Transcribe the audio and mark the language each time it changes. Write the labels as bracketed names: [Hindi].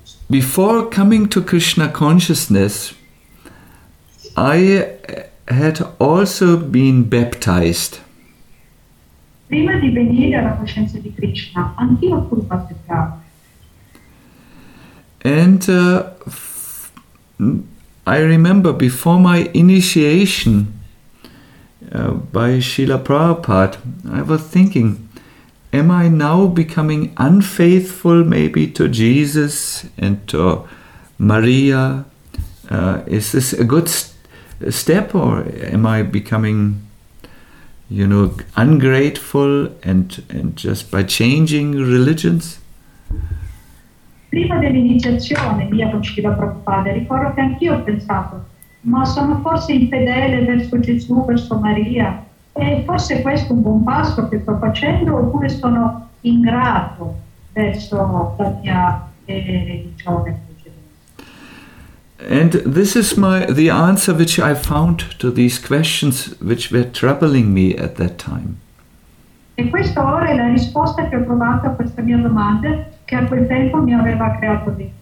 [English] Before coming to Krishna consciousness, I had also been baptized. [Italian] Prima di venire alla coscienza di Krishna, anch'io ho pure battezzato. [English] And I remember before my initiation by Srila Prabhupada, I was thinking, am I now becoming unfaithful maybe to Jesus and to Maria? Is this a good step, or am I becoming, you know, ungrateful and just by changing religions? [Italian] Prima dell'iniziazione mia con Srila Prabhupada, ricordo che anch'io ho pensato, ma sono forse infedele verso Gesù, verso Maria? E forse questo è un buon passo che sto facendo, oppure sono ingrato verso la mia religione? [English] And this is the answer which I found to these questions which were troubling me at that time. [Italian] E questa ora è la risposta che ho trovato a questa mia domanda, che a quel tempo mi aveva creato dei